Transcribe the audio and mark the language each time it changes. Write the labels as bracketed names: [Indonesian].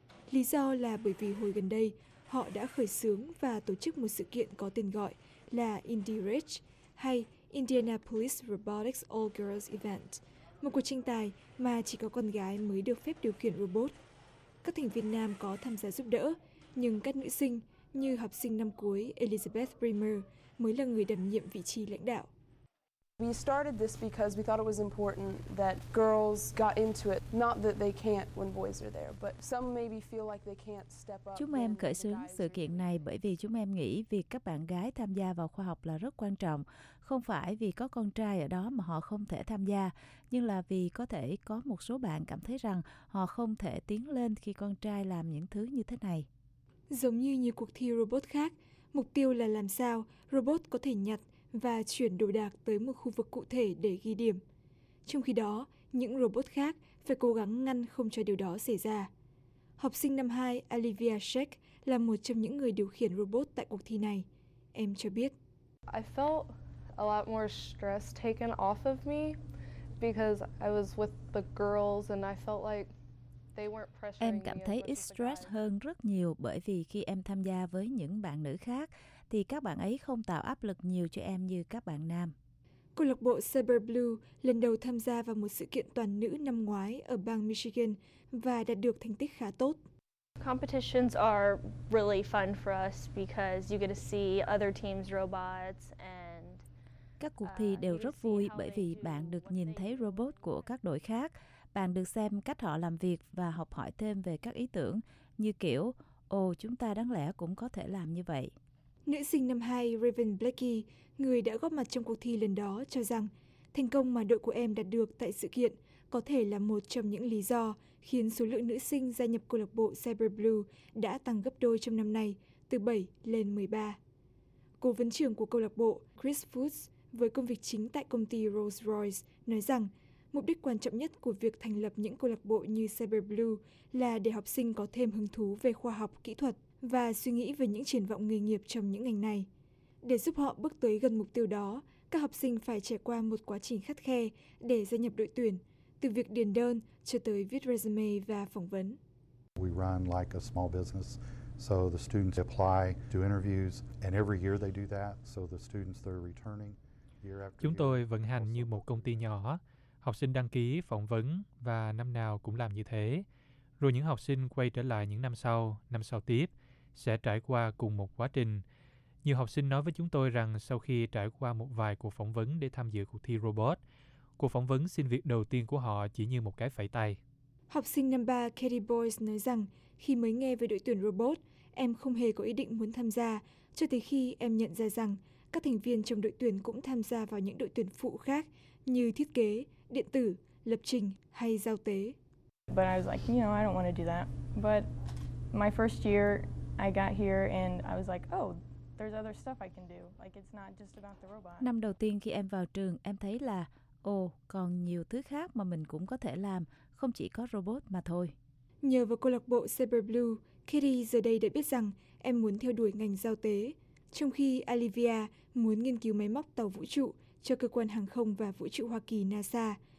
[Vietnamese] Lý do là bởi vì hồi gần đây, họ đã khởi xướng và tổ chức một sự kiện có tên gọi là IndyRage hay Indianapolis Robotics All Girls Event, một cuộc tranh tài mà chỉ có con gái mới được phép điều khiển robot. Các thành viên nam có tham gia giúp đỡ, nhưng các nữ sinh như học sinh năm cuối Elizabeth Bremer mới là người đảm nhiệm vị trí lãnh đạo. [English] We started this because we thought it was important that girls got into it, not that they can't when boys are there, but some maybe feel like they can't step up. [Vietnamese] Chúng em khởi xướng sự kiện này bởi vì chúng em nghĩ việc các bạn gái tham gia vào khoa học là rất quan trọng, không phải vì có con trai ở đó mà họ không thể tham gia, nhưng là vì có thể có một số bạn cảm thấy rằng họ không thể tiến lên khi con trai làm những thứ như thế này. Giống như nhiều cuộc thi robot khác, mục tiêu là làm sao robot có thể nhặt và chuyển đồ đạc tới một khu vực cụ thể để ghi điểm. Trong khi đó, những robot khác phải cố gắng ngăn không cho điều đó xảy ra. Học sinh năm 2 Olivia Sheck là một trong những người điều khiển robot tại cuộc thi này. Em cho biết. [English] I felt a lot more stress taken off of me because I was with the girls and I felt like [Vietnamese] em cảm thấy ít [English] stress [Vietnamese] hơn rất nhiều bởi vì khi em tham gia với những bạn nữ khác thì các bạn ấy không tạo áp lực nhiều cho em như các bạn nam. Câu lạc bộ Cyber Blue lần đầu tham gia vào một sự kiện toàn nữ năm ngoái ở bang Michigan và đạt được thành tích khá tốt. [English] Competitions are really fun for us because you get to see other teams' robots and [Vietnamese] các cuộc thi đều rất vui bởi vì bạn được nhìn thấy robot của các đội khác. Bạn được xem cách họ làm việc và học hỏi thêm về các ý tưởng, như kiểu, ồ, chúng ta đáng lẽ cũng có thể làm như vậy. Nữ sinh năm 2 Raven Blackie, người đã góp mặt trong cuộc thi lần đó, cho rằng thành công mà đội của em đạt được tại sự kiện có thể là một trong những lý do khiến số lượng nữ sinh gia nhập câu lạc bộ Cyber Blue đã tăng gấp đôi trong năm nay, từ 7 lên 13. Cố vấn trưởng của câu lạc bộ Chris Foods với công việc chính tại công ty Rolls-Royce nói rằng mục đích quan trọng nhất của việc thành lập những câu lạc bộ như Cyber Blue là để học sinh có thêm hứng thú về khoa học, kỹ thuật và suy nghĩ về những triển vọng nghề nghiệp trong những ngành này. Để giúp họ bước tới gần mục tiêu đó, các học sinh phải trải qua một quá trình khắt khe để gia nhập đội tuyển, từ việc điền đơn cho tới viết resume và phỏng vấn. [English] We run like a small business. So the students apply to interviews and every year they do that. So the students that are returning year after year. [Vietnamese] Chúng tôi vận hành như một công ty nhỏ. Học sinh đăng ký phỏng vấn và năm nào cũng làm như thế. Rồi những học sinh quay trở lại những năm sau tiếp, sẽ trải qua cùng một quá trình. Nhiều học sinh nói với chúng tôi rằng sau khi trải qua một vài cuộc phỏng vấn để tham dự cuộc thi robot, cuộc phỏng vấn xin việc đầu tiên của họ chỉ như một cái phẩy tay. Học sinh năm 3 Katie Boyce nói rằng khi mới nghe về đội tuyển robot, em không hề có ý định muốn tham gia, cho tới khi em nhận ra rằng các thành viên trong đội tuyển cũng tham gia vào những đội tuyển phụ khác như thiết kế, điện tử, lập trình hay giao tế. [English] But I was like, you know, I don't want to do that. But my first year, I got here and I was like, oh, there's other stuff I can do. Like it's not just about the robot. [Vietnamese] Năm đầu tiên khi em vào trường, em thấy là còn nhiều thứ khác mà mình cũng có thể làm, không chỉ có robot mà thôi. Nhờ vào câu lạc bộ Cyber Blue, Katie giờ đây đã biết rằng em muốn theo đuổi ngành giao tế, trong khi Olivia muốn nghiên cứu máy móc tàu vũ trụ cho cơ quan hàng không và vũ trụ Hoa Kỳ NASA.